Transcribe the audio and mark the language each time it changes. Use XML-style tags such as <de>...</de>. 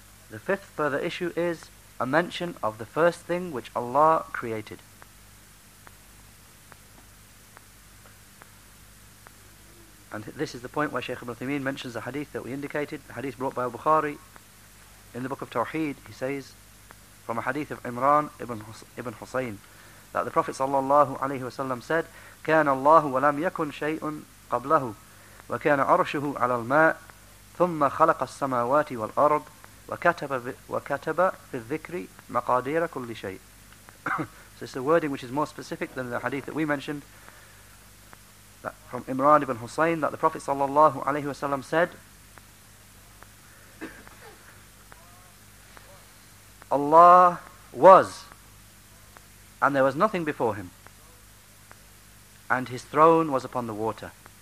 <en>The fifth further issue is a mention of the first thing which Allah created. And this is the point where Shaykh Ibn Uthaymeen mentions a hadith that we indicated, a hadith brought by al-Bukhari in the book of Tawheed. He says, from a hadith of Imran ibn Husayn, that the Prophet sallallahu alayhi wa sallam said,</en> <ar>كان الله ولم يكن شيء قبله وكان عرشه على الماء ثم خلق السماوات والأرض وكتب في الذكر مقادير كل شيء.</ar> <en>So it's a wording which is more specific than the hadith that we mentioned, that from Imran ibn Husayn, that the Prophet sallallahu alayhi wa sallam said, Allah was, and there was nothing before him, and his throne was upon the water.</en>